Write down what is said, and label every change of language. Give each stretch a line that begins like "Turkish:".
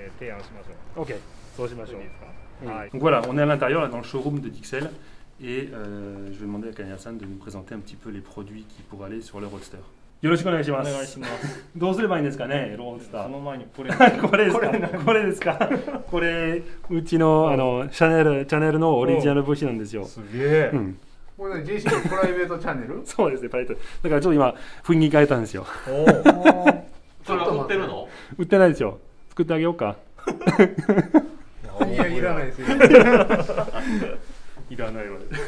Japanese: まあ、うちのホイールつけてタイヤつけて、でもやっぱりブレーキはすごく大事なんで、でも全然どうすればいいかなんかわかんなくて、ちょっと聞きたかったんですよ。なるほど。ね、この状態やから。ちょっとボロいですね。ボロいからまず綺麗にするのと、で、よく聞いて止まるブレーキを提案しましょう。オッケー。そうしましょう。いいですか。はい。Voilà,
French: on est à l'intérieur dans le showroom de Dixel. Et je vais demander à Kanaya-san de nous présenter un petit peu les produits qui pourraient aller sur le Roadster.
Japanese: よろしくお願いします。お願いします。どうすればいいんですかね、ロードスター。その前にこれ。これですか。これうちのあのチャンネルのオリジナルボシなんですよ。すげえ。これJCのプライベートチャンネル？そうですね、プライベート。だからちょっと今雰囲気変えたんですよ。おお。ちょっと持ってるの？売ってないですよ。作ってあげようか。いや、お土産いらないですよ。いらないわね。